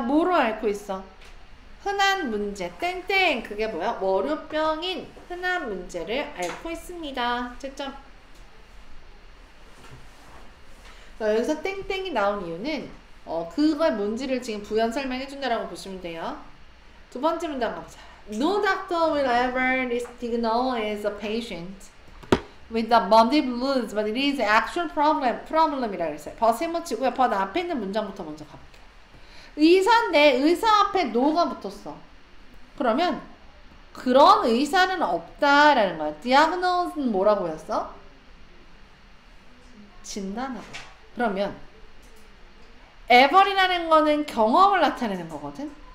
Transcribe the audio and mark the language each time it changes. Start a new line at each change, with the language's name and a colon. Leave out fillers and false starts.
Korean: 뭐로 앓고 있어? 흔한 문제, 땡땡. 그게 뭐야? 월요병인 흔한 문제를 앓고 있습니다. 채점. 여기서 땡땡이 나온 이유는 그거의 뭔지를 지금 부연 설명해 준다라고 보시면 돼요. 두 번째 문장 가보자.
English: No doctor will ever diagnose a patient with the Monday blues, but it is actual problem이라고
Korean: 했어요. 버 세모치고요. 버 앞에 있는 문장부터 먼저 가볼게요. 의사인데 의사 앞에 no가 붙었어. 그러면 그런 의사는 없다라는 거야. diagnose는 뭐라고 했어? 진단하고. 그러면 ever이라는 거는 경험을 나타내는 거거든.